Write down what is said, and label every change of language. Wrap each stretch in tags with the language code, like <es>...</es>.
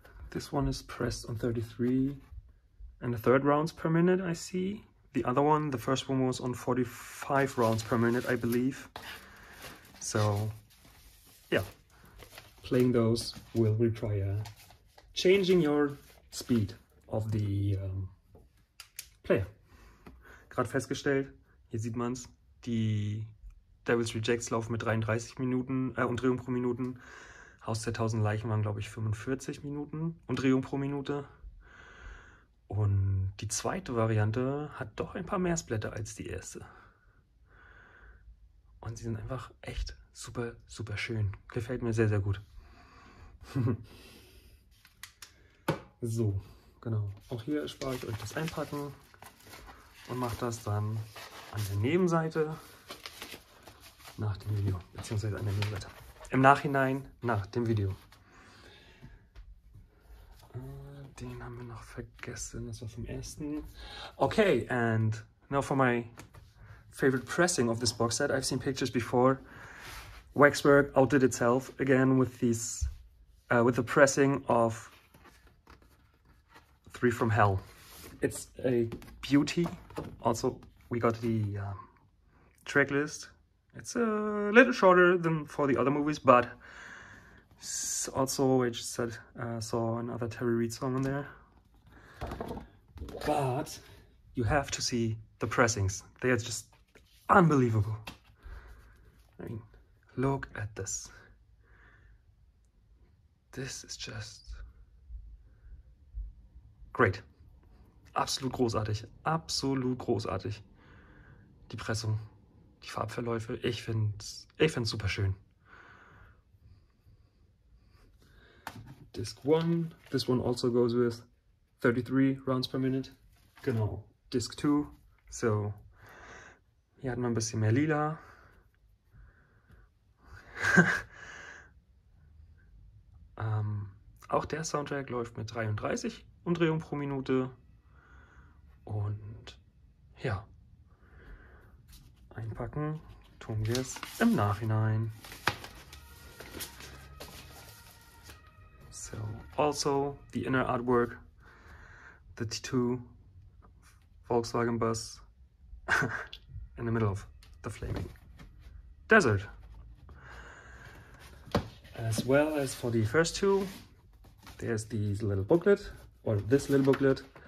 <en>This one is pressed on 33 and a third rounds per minute, I see. The other one, the first one, was on 45 rounds per minute, I believe. So, yeah, playing those will require changing your speed of the player.</en> <de>Gerade festgestellt, hier sieht man's, die Devil's Rejects laufen mit 33 Minuten, Umdrehung pro Minuten. Haus der 1000 Leichen waren, glaube ich, 45 Minuten Umdrehung pro Minute. Und die zweite Variante hat doch ein paar mehr Splatter als die erste. Und sie sind einfach echt super, super schön. Gefällt mir sehr, sehr gut. So, genau. Auch hier erspare ich euch das Einpacken und mache das dann an der Nebenseite nach dem Video, beziehungsweise an der Nebenseite. Im Nachhinein nach dem Video. Den haben wir noch vergessen, das war vom ersten.</de> <en>Okay, and now for my favorite pressing of this box set. I've seen pictures before. Waxwork outdid itself again with these, with the pressing of Three from Hell. It's a beauty. Also, we got the tracklist. It's a little shorter than for the other movies, but also, I just said, saw another Terry Reed song in there. But you have to see the pressings. They are just unbelievable. I mean, look at this. This is just great.</en> <de>Absolut großartig. Absolut großartig. Die Pressung, die Farbverläufe. Ich find's super schön.</de> <en>Disc 1, this one also goes with 33 rounds per minute.</en> <de>Genau. Disc 2, so hier hat man ein bisschen mehr Lila. auch der Soundtrack läuft mit 33 Umdrehungen pro Minute. Und ja, einpacken tun wir es im Nachhinein.</de> <en>So, also the inner artwork, the T2 Volkswagen bus in the middle of the flaming desert. As well as for the first two, there's these little booklet, or this little booklet.</en>